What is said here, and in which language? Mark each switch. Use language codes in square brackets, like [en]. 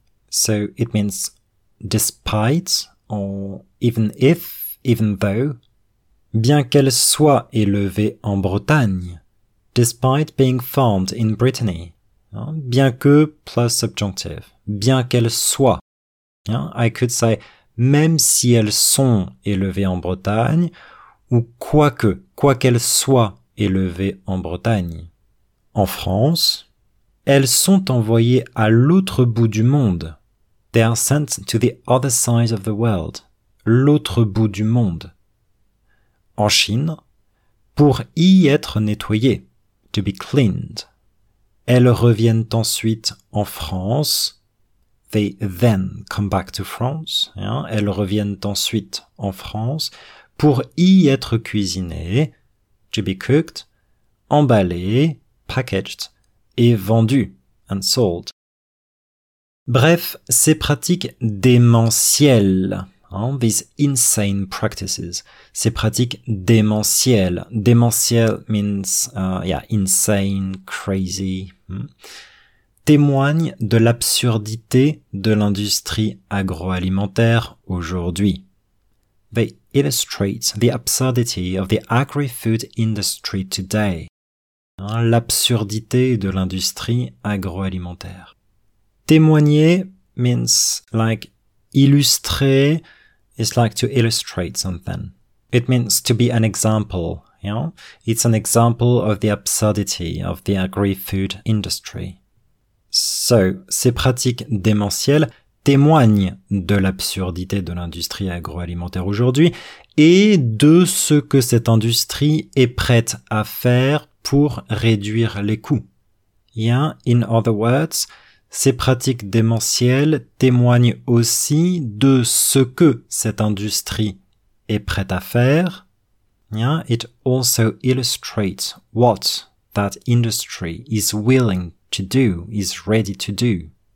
[en] So, it means despite, or even if, even though. [fr] Bien qu'elle soit élevée en Bretagne. [en] Despite being farmed in Brittany. [fr] Bien que, plus subjonctive. Bien qu'elle soit. [en] Yeah, I could say, [fr] même si elles sont élevées en Bretagne, ou quoique, quoi qu'elles soient élevées en Bretagne. En France, elles sont envoyées à l'autre bout du monde. [en] They are sent to the other side of the world. [fr] L'autre bout du monde. En Chine, pour y être nettoyées, [en] to be cleaned. [fr] Elles reviennent ensuite en France. [en] They then come back to France. Hein? [fr] Elles reviennent ensuite en France pour y être cuisinées, [en] to be cooked, [fr] emballées, [en] packaged, [fr] et vendues, [en] and sold. [fr] Bref, ces pratiques démentielles, hein? [en] These insane practices, [fr] ces pratiques démentielles. [en] Démentiel means insane, crazy. [fr] Témoigne de l'absurdité de l'industrie agroalimentaire aujourd'hui. [en] They illustrate the absurdity of the agri-food industry today. [fr] L'absurdité de l'industrie agroalimentaire. [en] Témoigner means like illustrer, it's like to illustrate something. It means to be an example. You know? It's an example of the absurdity of the agri-food industry. [fr] So, ces pratiques démentielles témoignent de l'absurdité de l'industrie agroalimentaire aujourd'hui et de ce que cette industrie est prête à faire pour réduire les coûts. [en] Yeah, in other words, [fr] ces pratiques démentielles témoignent aussi de ce que cette industrie est prête à faire. [en] Yeah, it also illustrates what that industry is willing to do, is ready to do.